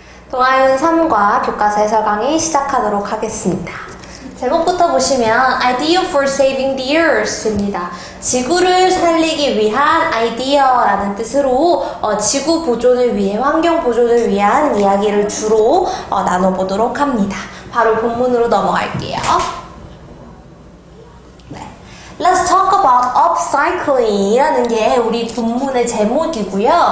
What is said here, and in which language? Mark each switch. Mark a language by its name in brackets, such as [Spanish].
[Korean] 동아윤 3과 교과서 해설 강의 시작하도록 하겠습니다. 제목부터 보시면 [English] Idea for Saving the Earth [Korean] 입니다. 지구를 살리기 위한 아이디어라는 뜻으로 지구 보존을 위해, 환경 보존을 위한 이야기를 주로 나눠보도록 합니다. 바로 본문으로 넘어갈게요. [English] Let's talk about upcycling [Korean] 이라는 게 우리 본문의 제목이고요.